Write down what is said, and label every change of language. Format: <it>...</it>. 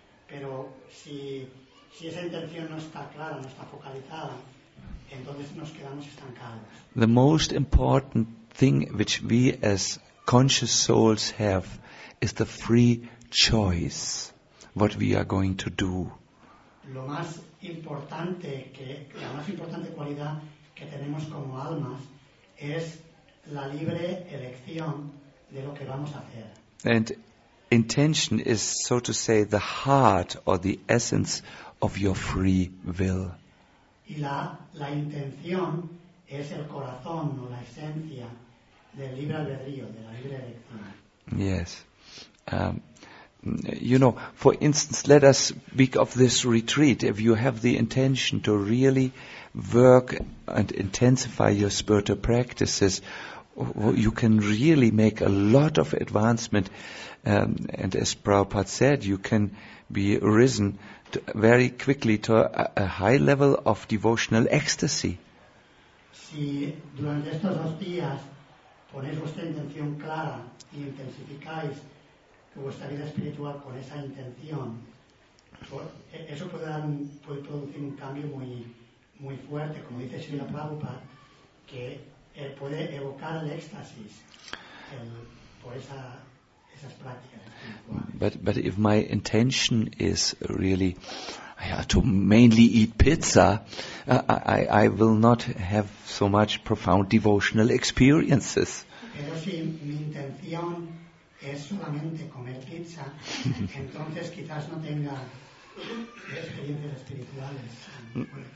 <es>Pero si esa intención no está clara, no está focalizada, entonces nos quedamos estancados.</es> <en>The most important thing which we as conscious souls have is the free choice, what we are going to do.</en> <es>Lo más importante que la más importante cualidad que tenemos como almas es la libre elección de lo que vamos a hacer.</es> <en>And intention is, so to say, the heart or the essence of your free will.</en> <es>Y la intención es el corazón o la esencia del libre albedrío, de la libre elección.</es> <en>Yes. You know, for instance, let us speak of this retreat. If you have the intention to really work and intensify your spiritual practices, you can really make a lot of advancement. And as Prabhupada said, you can be risen very quickly to a high level of devotional ecstasy.</en> <es>Si durante estos dos días ponéis vuestra intención clara y intensificáis vuestra vida espiritual con esa intención, eso puede producir un cambio muy, muy fuerte, como dice Srila Prabhupada, que puede evocar el éxtasis por esas prácticas espirituales.</es> <en>But if my intention is really to mainly eat pizza, I will not have so much profound devotional experiences.</en> <es>Pero si mi intención es solamente comer pizza, entonces quizás no tenga experiencias espirituales.</es>